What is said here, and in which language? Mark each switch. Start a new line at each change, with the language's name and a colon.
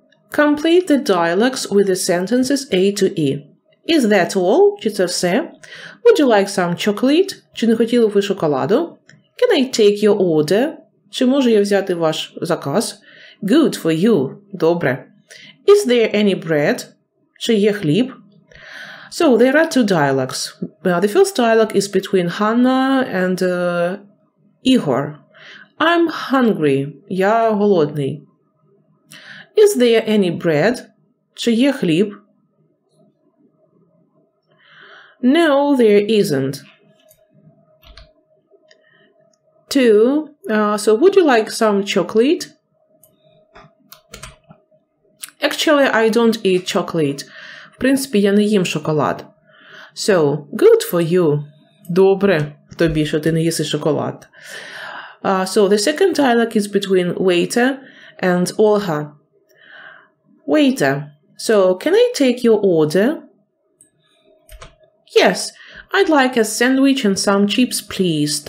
English: Complete the dialogues with the sentences A to E. Is that all?
Ukrainian: Чи це все?
English: Would you like some chocolate?
Ukrainian: Чи не хотіли б ви шоколаду?
English: Can I take your order?
Ukrainian: Чи можу я взяти ваш заказ?
English: Good for you.
Ukrainian: Добре.
English: Is there any bread?
Ukrainian: Чи є хліб?
English: So, there are two dialogues. The first dialogue is between Hannah and Igor. I'm hungry.
Ukrainian: Я голодний.
English: Is there any bread?
Ukrainian: Чи є хліб?
English: No, there isn't. Two. So, would you like some chocolate? Actually, I don't eat chocolate.
Ukrainian: В принципі, я не їм шоколад.
English: So, good for you.
Ukrainian: Добре тобі, що ти не їси шоколад.
English: So, the second dialogue is between waiter and Olga. Waiter. So, can I take your order? Yes, I'd like a sandwich and some chips, please.